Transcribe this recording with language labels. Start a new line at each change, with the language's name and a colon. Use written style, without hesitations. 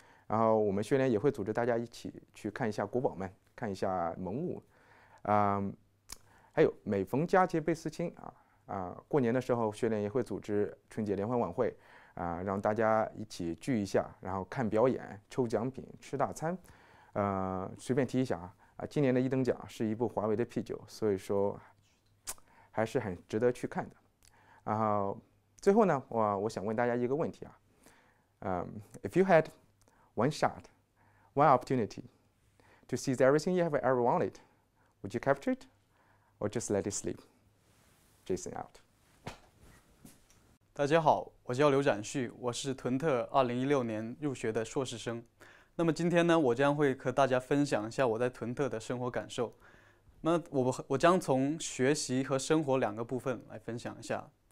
Chinese: 然后我们学联也会组织大家一起去看一下国宝们，看一下文物，还有每逢佳节倍思亲过年的时候学联也会组织春节联欢晚会让大家一起聚一下，然后看表演、抽奖品、吃大餐。随便提一下今年的一等奖是一部华为的 P9，所以说还是很值得去看的。然后最后呢，我想问大家一个问题
English: If you had one shot, one opportunity to seize everything you have ever wanted, would you capture it or just let it sleep? Jason out.
Chinese: 大家好，我叫刘展旭，我是屯特2016年入学的硕士生。那么今天呢，我将会和大家分享一下我在屯特的生活感受。那我将从学习和生活两个部分来分享一下。